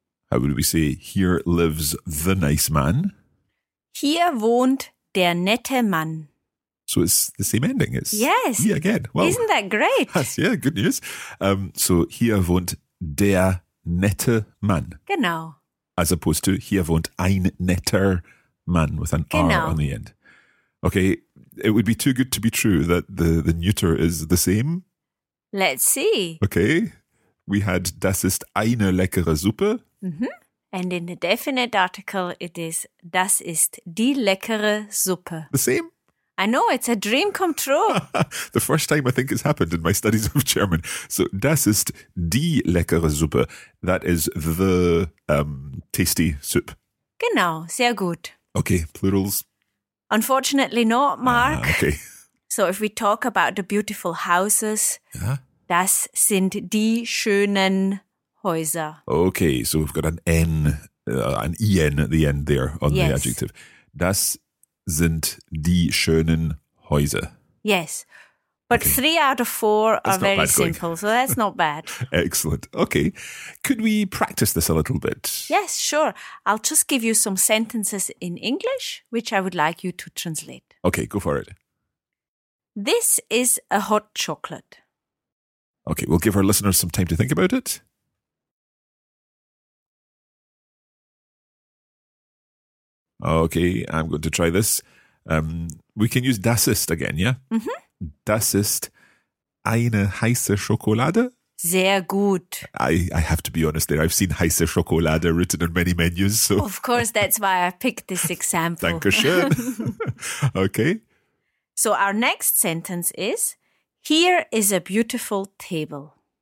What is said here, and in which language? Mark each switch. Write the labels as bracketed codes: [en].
[en] How would we say, here lives the nice man? [de] Hier wohnt der nette Mann. [en] So it's the same ending. It's yes. E again. Well, isn't that great? Yeah, good news. [de] So hier wohnt der nette Mann. Genau. [en] As opposed to hier wohnt ein netter Mann with an R on the end. Okay, it would be too good to be true that the neuter is the same. Let's see. [de] Okay, we had das ist eine leckere Suppe. [en] Mm-hmm. And in the definite article it is das ist die leckere Suppe. The same? I know, it's a dream come true. The first time I think it's happened in my studies of German. [de] So das ist die leckere Suppe. [en] That is the tasty soup. [de] Genau, sehr gut. [en] Okay, plurals. Unfortunately not, Mark. Okay. So if we talk about the beautiful houses, das sind die schönen Häuser. Okay, so we've got an EN at the end there on the adjective. [de] Das sind die schönen Häuser. [en] Yes, but three out of four are very simple, so that's not bad. Excellent. Okay, could we practice this a little bit? Yes, sure. I'll just give you some sentences in English, which I would like you to translate. Okay, go for it. This is a hot chocolate. Okay, we'll give our listeners some time to think about it. Okay, I'm going to try this. We can use das ist again, yeah? Mm-hmm. [de] Das ist eine heiße Schokolade. Sehr gut. [en] I have to be honest there. I've seen heiße Schokolade written on many menus. So. Of course, that's why I picked this example. [de] Dankeschön. Okay. [en] So our next sentence is, here is a beautiful table.